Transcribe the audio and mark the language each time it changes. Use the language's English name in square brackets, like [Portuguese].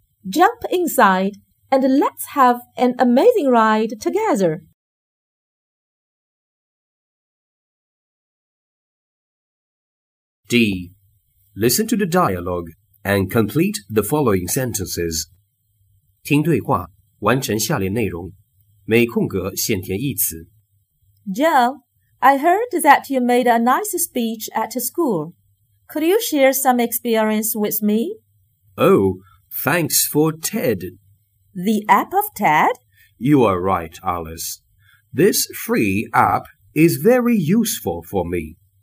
[English] Jump inside and let's have an amazing ride together. D. Listen to the dialogue and complete the following sentences. [Chinese] 听对话，完成下列内容，每空格先填一词。 [English] Joe, I heard that you made a nice speech at school. Could you share some experience with me? Oh, thanks for TED. The app of TED? You are right, Alice. This free app is very useful for me.